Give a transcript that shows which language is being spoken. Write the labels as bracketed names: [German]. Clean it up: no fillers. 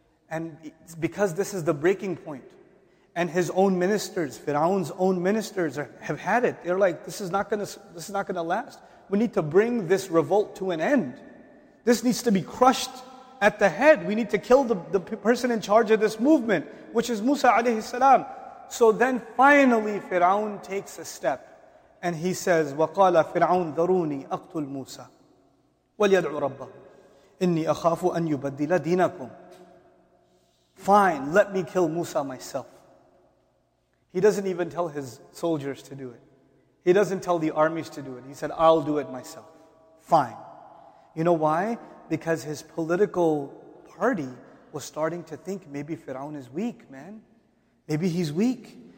[English] And because this is the breaking point, and his own ministers, Fir'aun's own ministers have had it. They're like, this is not gonna last. We need to bring this revolt to an end. This needs to be crushed at the head. We need to kill the person in charge of this movement, which is Musa alayhi salam. So then finally Fir'aun takes a step. And he says, [Arabic] وَقَالَ فِرْعَوْنْ ذَرُونِي أَقْتُلْ مُوسَى وَلْيَدْعُ رَبَّهُ إِنِّي أَخَافُ أَنْ يُبَدِّلَ دِينَكُمْ. [English] Fine, let me kill Musa myself. He doesn't even tell his soldiers to do it. He doesn't tell the armies to do it. He said, I'll do it myself. Fine. You know why? Because his political party was starting to think, maybe Fir'aun is weak, man. Maybe he's weak.